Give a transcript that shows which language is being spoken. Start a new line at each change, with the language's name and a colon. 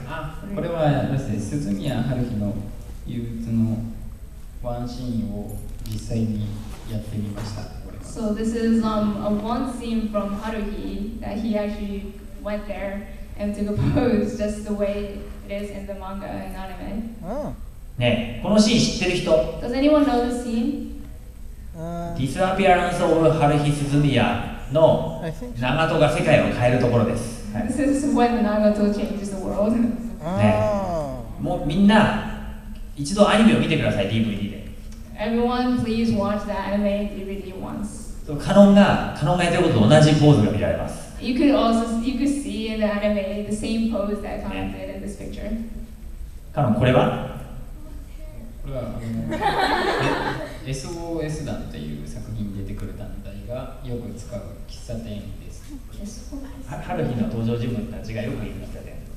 Japanese: あ、これは要するに鈴宮春日の憂鬱のワンシーンを実際にやってみました。
English: So this is a one scene from Haruhi that he actually went there and took a pose just the way it is in the manga and anime. Oh.
Japanese: ね、このシーン知ってる人。
English: Does anyone know this scene?
Japanese: Disappearance of Haruhi Suzumiya の Nagato が世界を変えるところです。
English: This is when Nagato changes the world.
Japanese: ね、もうみんな一度アニメを見てください、DVD で。
English: Everyone, please watch that anime DVD once.
Japanese: So, Kanon がやってること同じポーズが見られます。
English: You could see in the anime the same pose that Kanon did in this picture.
Japanese: Kanon, これは？これはSOS だっていう作品に出てくる団体がよく使う喫茶店です。ハルヒの登場人物たちがよく行く喫茶店。